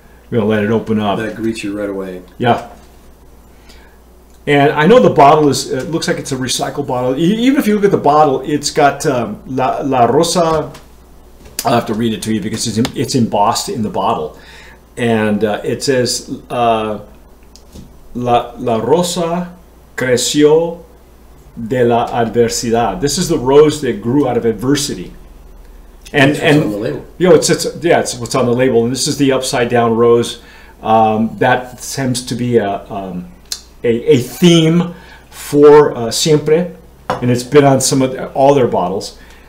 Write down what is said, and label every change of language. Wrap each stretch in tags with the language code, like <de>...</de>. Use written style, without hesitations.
<en>We're gonna let it open up. That greets you right away. Yeah. And I know the bottle is, it looks like it's a recycled bottle. Even if you look at the bottle, it's got La Rosa. I'll have to read it to you because it's embossed in the bottle. And it says,</en> <es>La Rosa creció de la adversidad.</es> <en>This is the rose that grew out of adversity. And it's what's on the label. You know, it's what's on the label. And this is the upside down rose. That seems to be a theme for Siempre, and it's been on some of all their bottles.</en>